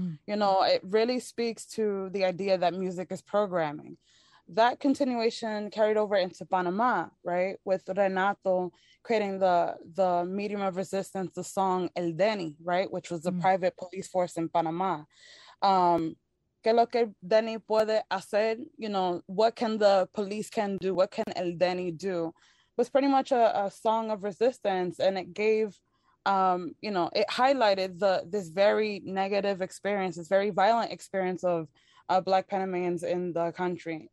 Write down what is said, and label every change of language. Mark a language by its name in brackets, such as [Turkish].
[English] You know, it really speaks to the idea that music is programming. That continuation carried over into Panama, right? With Renato creating the medium of resistance, the song El Deni, right? Which was the private police force in Panama. [Spanish] ¿Qué lo que Deni puede hacer? [English] You know, what can the police can do? What can El Deni do? It was pretty much a song of resistance, and it gave, you know, it highlighted this very negative experience, this very violent experience of Black Panamanians in the country.